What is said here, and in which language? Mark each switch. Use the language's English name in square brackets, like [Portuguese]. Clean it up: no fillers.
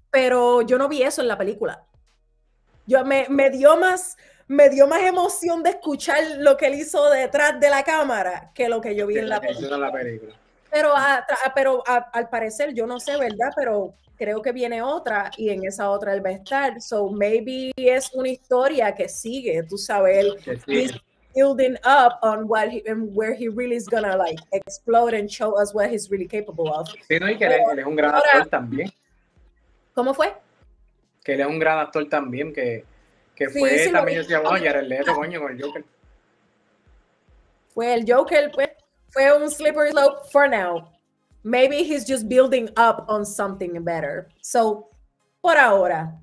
[Spanish] Pero yo no vi eso en la película. Yo me dio más emoción de escuchar lo que él hizo detrás de la cámara que lo que yo vi en la película. Pero al parecer, yo no sé, ¿verdad? Pero creo que viene otra, y en esa otra él va a estar. [English] So maybe [Spanish] es una historia que sigue, tú sabes. [English] He's building up on what and where he really is gonna like explode and show us what he's really capable of. [Spanish] Sí, no, y que él es un gran actor también. ¿Cómo fue? Que él es un gran actor también, que sí, fue, sí, también yo decía, bueno, ya era el Leto, coño, con el Joker. Fue el Joker, fue un [English] slippery slope for now. Maybe he's just building up on something better. So, [Spanish] por ahora.